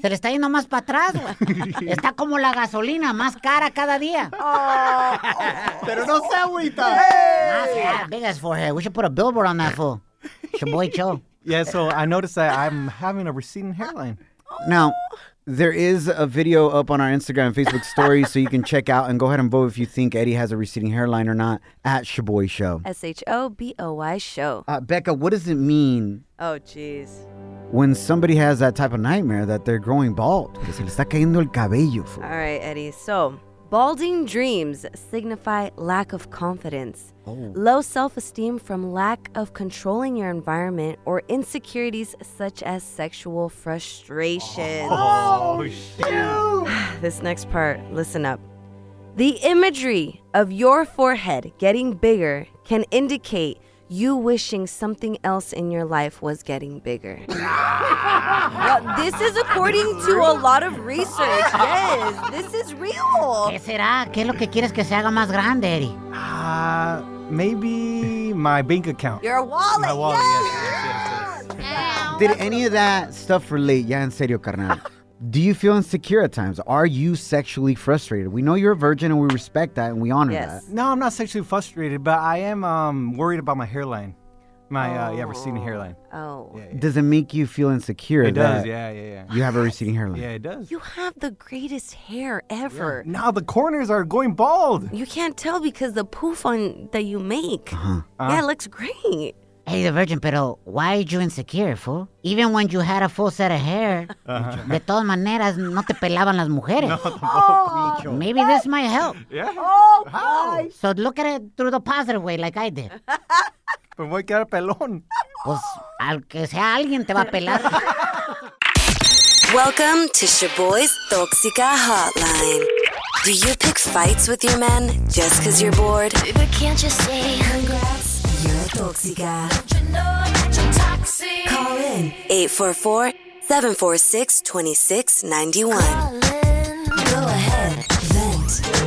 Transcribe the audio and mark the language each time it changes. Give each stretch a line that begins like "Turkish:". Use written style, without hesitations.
Spanish: Se le está yendo más para atrás, güey. Está como la gasolina, más cara cada día. Pero no se agüita.
English: Big ass forehead. We should put a billboard on that fool. Shaboy Cho. Yeah, so I noticed that I'm having a receding hairline. Now, there is a video up on our Instagram and Facebook stories, so you can check out and go ahead and vote if you think Eddie has a receding hairline or not at Shaboy Show. Shaboy Show. Becca, what does it mean? Oh, jeez. When somebody has that type of nightmare that they're growing bald.
Spanish: Que se le está cayendo el cabello.
English: All right, Eddie. So, balding dreams signify lack of confidence. Oh. Low self-esteem from lack of controlling your environment or insecurities such as sexual frustration. Oh, shoot. This next part, listen up. The imagery of your forehead getting bigger can indicate you wishing something else in your life was getting bigger. Well, this is according to a lot of research. Yes, this is real.
Spanish: ¿Qué será? ¿Qué es lo que quieres que se haga más grande, Eddie?
English: Maybe my bank account. Your wallet. My wallet. Yes. Did any of that stuff relate?
Spanish: Ya en serio, carnal.
English: Do you feel insecure at times? Are you sexually frustrated? We know you're a virgin and we respect that and we honor that. No, I'm not sexually frustrated, but I am worried about my hairline. My receding hairline. Oh. Yeah. Does it make you feel insecure? It does, yeah. You have a receding hairline. Yeah, it does. You have the greatest hair ever. Yeah. Now the corners are going bald. You can't tell because the poof on that you make. Uh-huh. Yeah, it looks great. Hey, the virgin, pero why are you insecure, fool? Even when you had a full set of hair,
Spanish: de todas maneras, no te pelaban las mujeres.
English: Maybe this might help. Yeah. Oh, how? So look at it through the positive way, like I did.
Spanish: Me voy a quedar pelón. Pues, al que sea alguien te va a pelar.
English: Welcome to Shaboy's Tóxica Hotline. Do you pick fights with your men just because you're bored? But can't you say congrats? Toxica. Don't you know you're toxic? Call in 844-746-2691. Call in. Go ahead. Vent.